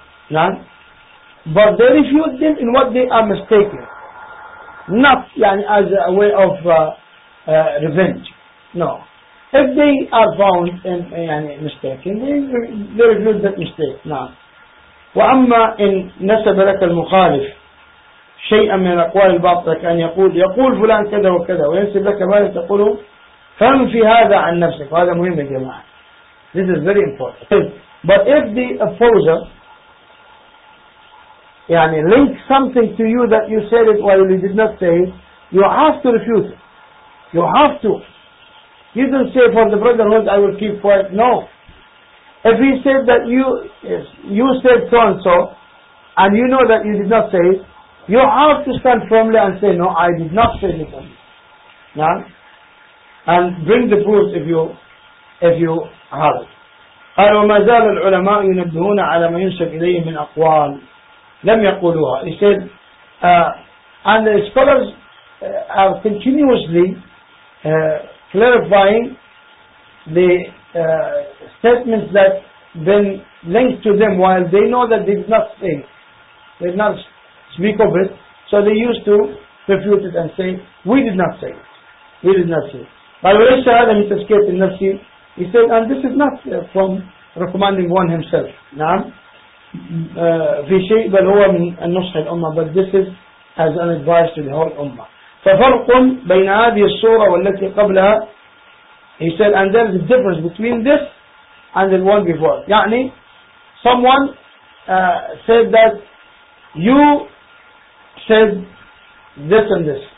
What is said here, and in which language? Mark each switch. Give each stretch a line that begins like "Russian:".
English: Now, but they refute them in what they are mistaken, not يعني as a way of revenge. No. If they are found in يعني mistaken, they refute that mistake.
Arabic: Now, وأما إن نسب لك المخالف شيئا من أقوال الباطل كان يقول فلان كذا وكذا وينسب لك ما تقوله, فانفي هذا عن نفسك. هذا مهم يا جماعة.
English: This is very important. But if the opposer يعني link something to you that you said it while you did not say it, you have to refute it. You have to. You don't say for the brotherhood I will keep quiet. No. If he said that you said so and so, and you know that you did not say it, you have to stand firmly and say, no, I did not say this. Now, and bring the proof if you have it.
Arabic: قال وما زال العلماء ينبهون على ما ينسب إليهم من أقوال لم يقولوها.
English: He said, and the scholars are continuously clarifying the statements that been linked to them while they know that they did not say, they did not speak of it, so they used to refute it and say, we did not say it. We did not say it.
Arabic: But وليس هذا من تزكية النفس.
English: He said, and this is not from recommending one himself.
Arabic: نعم في شيء بل هو من النصح الأمة.
English: But this is as an advice to the whole Ummah.
Arabic: ففرق بين هذه الصورة والتي قبلها.
English: He said, and there is a difference between this and the one before. يعني someone said that you said this and this.